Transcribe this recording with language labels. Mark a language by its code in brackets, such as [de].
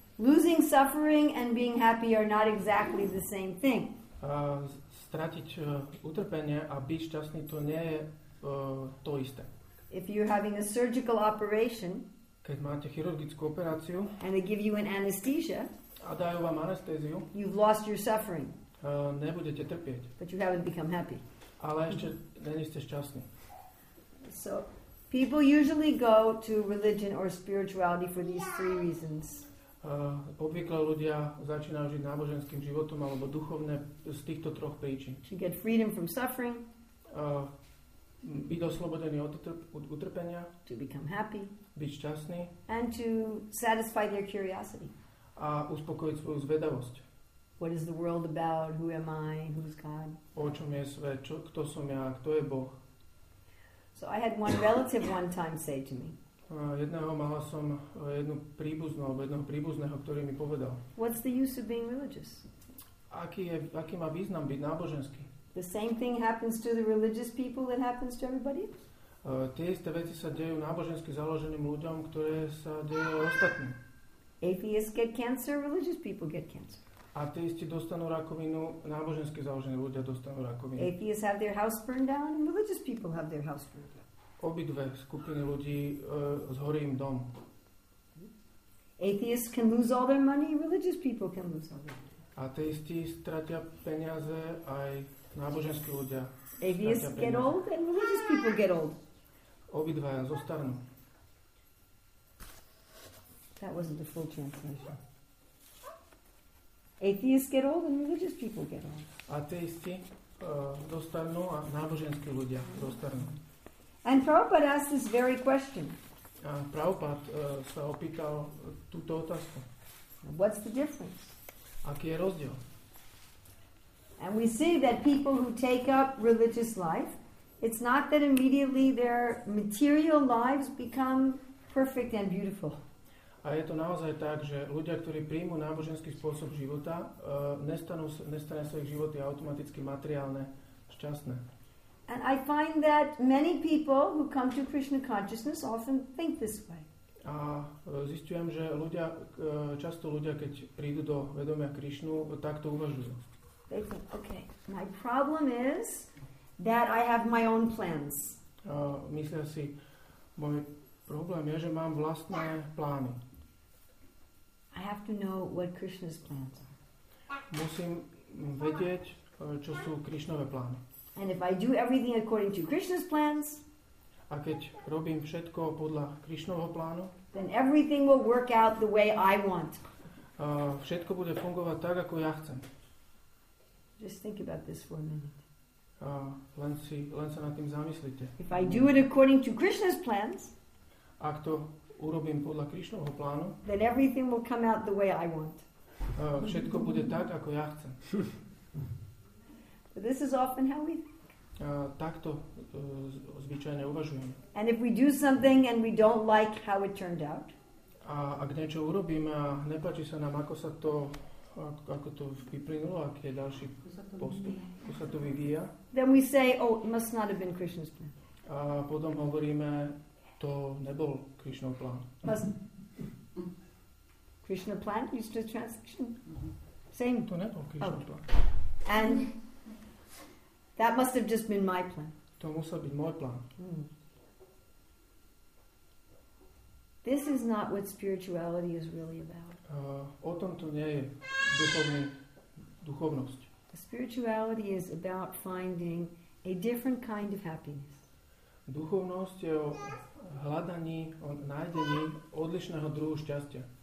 [en] Losing suffering and being happy are not exactly the same thing. [sk] Stratiť utrpenie a byť šťastný, to nie je to isté. [en] If you're having a surgical operation, [sk] keď máte chirurgickú operáciu, [en] and they give you an anesthesia, [sk] a dajú vám anestéziu, [en] you've lost your suffering. [sk] Nebudete trpieť. [en] But you haven't become happy. [sk] Ale ešte nie ste šťastní. [en] So people usually go to religion or spirituality for these three reasons. [sk] Obvykle ľudia začínajú žiť náboženským životom alebo duchovne z týchto troch príčin. [en] To get freedom from suffering. [sk] Byť oslobodený od utrpenia. [en] To become happy. [sk] Byť šťastný. [en] And to satisfy their curiosity. [sk] A uspokojiť svoju zvedavosť. [en] What is the world about? Who am I? Who's God? [sk] O čom je svet? Kto som ja? Kto je Boh? [en] So I had one relative one time say to me. [sk] Jedného mala som jednu príbuznú, alebo jednoho príbuzného, ktorý mi povedal. [en] What's the use of being religious? [sk] Aký má význam byť náboženský? [en] The same thing happens to the religious people that happens to everybody? [sk] Tie isté veci sa dejú nábožensky založeným ľuďom, ktoré sa dejú ostatným. [en] Atheists get cancer, religious people get cancer. [sk] Ateisti dostanú rakovinu, nábožensky založení ľudia dostanú rakovinu. [en] Atheists have their house burned down, and religious people have their house burned down. [sk] Obidve skupiny ľudí zhorí im dom. [en] Atheists can lose all their money, religious people can lose all their money. [sk] Ateisti stratia peniaze, aj náboženskí ľudia stratia peniaze. [en] Atheists get old, and religious people get old. [sk] Obidva zostarnú. [en] That wasn't the full translation. Atheists get old and religious people get old. [sk] Ateisti dostarnú a náboženskí ľudia dostarnú. [en] And Prabhupada asked this very question. [sk] A Prabhupád sa opýtal túto otázku. [en] What's the difference? [sk] Aký je rozdiel? [en] And we see that people who take up religious life, it's not that immediately their material lives become perfect and beautiful. [sk] A je to naozaj tak, že ľudia, ktorí príjmú náboženský spôsob života, nestane sa ich životy automaticky materiálne šťastné. [en] And I find that many people who come to Krishna consciousness often think this way. [sk] A zistujem, že ľudia, často ľudia, keď prídu do vedomia Krišnu, takto uvažujú. [en] They think, okay, my problem is that I have my own plans. [sk] Myslia si, môj problém je, že mám vlastné plány. [en] I have to know what Krishna's plans are. [sk] Musím vedieť, čo sú Krišnove plány. [en] And if I do everything according to Krishna's plans, [sk] a keď robím všetko podľa Krišnovho plánu, [en] then everything will work out the way I want. [sk] Všetko bude fungovať tak, ako ja chcem. [en] Just think about this for a minute. [sk] Len sa nad tým zamyslite. [en] If I do it according to Krishna's plans, [sk] ak to urobím podľa Krišnovho plánu, [en] then everything will come out the way I want. [sk] Všetko bude tak, ako ja chcem. [en] But this is often how we [sk] takto zvyčajne uvažujeme. [en] And if we do something and we don't like how it turned out, [sk] a ak niečo urobíme a nepáči sa nám, ako sa to ako to vyplynulo, aký je ďalší postup, ako sa to vyvíja, [en] then we say, oh, it must not have been Krishna's plan. [sk] A potom hovoríme, to nebol Krishnov plán. [en] Krishna plan? Use the translation? Same. [sk] To nebol Krishnov plán. [en] And that must have just been my plan. [sk] To musel byť môj plán. Mm. [en] This is not what spirituality is really about. [sk] O tom to nie je duchovný, duchovnosť. [en] Spirituality is about finding a different kind of happiness. [sk] Duchovnosť je o hľadaní, o nájdení odlišného druhu šťastia.